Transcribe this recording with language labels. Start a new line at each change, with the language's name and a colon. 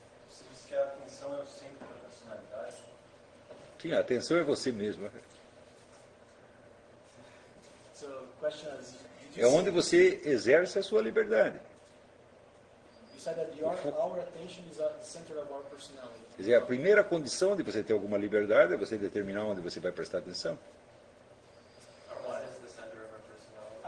Portuguese: Você disse que a atenção é o centro da personalidade. Sim, a atenção é você mesmo. Então, a pergunta é. É onde você exerce a sua liberdade.
English: You said that our attention is at the center of our personality.
Portuguese: Quer dizer, a primeira condição de você ter alguma liberdade é você determinar onde você vai prestar atenção.
English: Our mind is the center of our personality.